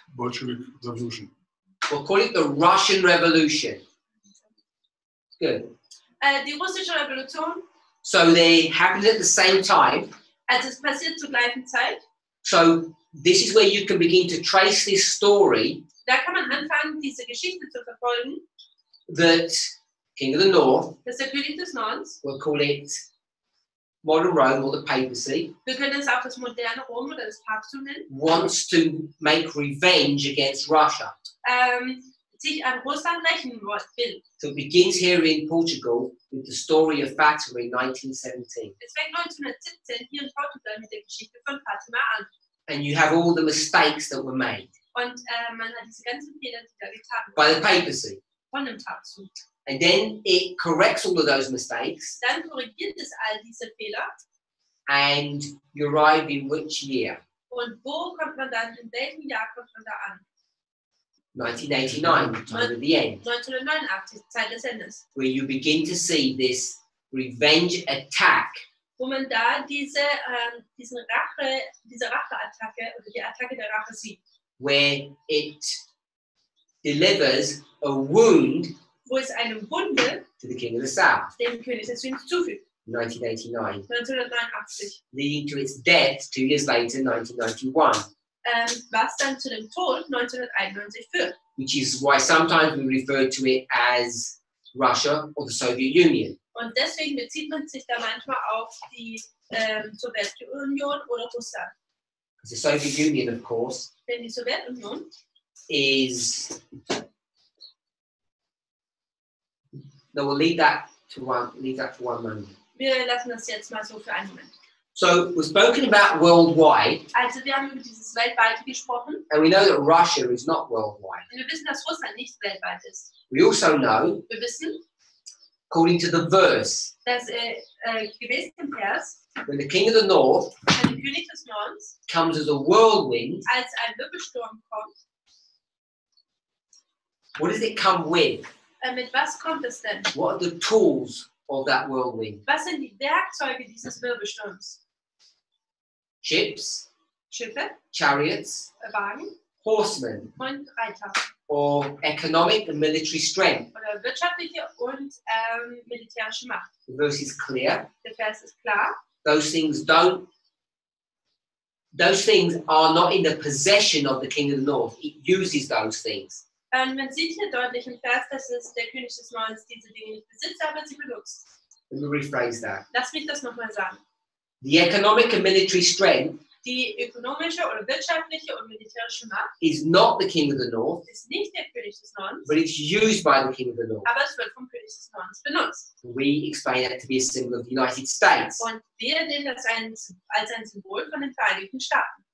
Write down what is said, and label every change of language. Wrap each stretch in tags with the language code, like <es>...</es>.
<en>Bolshevik Revolution. We'll call it the Russian Revolution. Good. The Russian Revolution. So they happened at the same time.</en> <de>Es ist passiert zur gleichen Zeit.</de> <en>So this is where you can begin to trace this story.</en> <de>Da kann man anfangen, diese Geschichte zu verfolgen.</de> <en>That King of the North.</en> <de>Das der König des Nordens.</de> <en>We'll call it modern Rome or the papacy.</en> <de>Wir können es auch das moderne Rom oder das Papsttum nennen.</de> <en>Wants to make revenge against Russia.</en> <de>Sich an Russland rächen will.</de> <en>So it begins here in Portugal with the story of Fatima in 1917.</en> <de>Es fängt 1917 hier in Portugal mit der Geschichte von Fatima an.</de> <en>And you have all the mistakes that were made.</en> <de>Und man hat diese ganzen Fehler, die da getan wurden.</de> <en>By the papacy.</en> <de>Von dem Papsttum.</de> <en>And then it corrects all of those mistakes.</en> <de>Dann korrigiert es all diese Fehler.</de> <en>And you arrive in which year?</en> <de>Und wo kommt man dann, in welchem Jahr kommt man da an?</de> <en>1989, the time of the end. 1989,</en> <de>Zeit des Endes.</de> <en>You begin to see this revenge attack.</en> <de>Wo man da diese Racheattacke oder die Attacke der Rache sieht.</de> <en>Where it delivers a wound.</en> <de>Wo es einem Wunde</de> <en>to the King of the South.</en> <de>Dem König des Südens zufügt.</de> <en>1989. Leading to its death 2 years later, 1991.</en> <de>Was dann zu dem Tod 1991 führt.</de> <en>Which is why sometimes we refer to it as Russia or the Soviet Union.</en> <de>Und deswegen bezieht man sich da manchmal auf die Sowjetunion oder Russland.</de> <en>The Soviet Union, of course,</en> <de>denn die Sowjetunion</de> <en>is... No, we'll leave that to one moment.</en> <de>Wir lassen das jetzt mal so für einen Moment.</de> <en>So we've spoken about worldwide.</en> <de>Also wir haben über dieses weltweite gesprochen.</de> <en>And we know that Russia is not worldwide.</en> <de>Und wir wissen, dass Russland nicht weltweit ist.</de> <en>We also know.</en> <de>Wir wissen.</de> <en>According to the verse.</en> <de>Dass gemäß dem Vers.</de> <en>When the King of the North.</en> <de>Wenn der König des Nordens.</de> <en>Comes as a whirlwind.</en> <de>Als ein Wirbelsturm kommt.</de> <en>What does it come with?</en> <de>Mit was kommt es denn?</de> <en>What are the tools of that whirlwind?</en> <de>Was sind die Werkzeuge dieses Wirbelsturms?</de> <en>Ships.</en> <de>Schiffe.</de> <en>Chariots.</en> <de>Wagen.</de> <en>Horsemen.</en> <de>Und Reiter.</de> <en>Or economic and military strength.</en> <de>Oder wirtschaftliche und militärische Macht.</de> <en>The verse is clear.</en> <de>Der Vers ist klar.</de> <en>Those things are not in the possession of the King of the North. It uses those things.</en> <de>Man sieht hier deutlich im Vers, dass es der König des Nordens diese Dinge nicht besitzt, aber sie benutzt.</de> <en>Let me rephrase that.</en> <de>Lass mich das nochmal sagen.</de> <en>The economic and military strength,</en> <de>die ökonomische oder wirtschaftliche und militärische Macht</de> <en>is not the king of the north,</en> <de>ist nicht der König des Nordens,</de> <en>but it's used by the king of the north.</en> <de>Aber es wird vom König des Nordens benutzt.</de> <en>We explain that to be a symbol of the United States.</en> <de>Und wir nehmen das als ein Symbol von den Vereinigten Staaten.</de>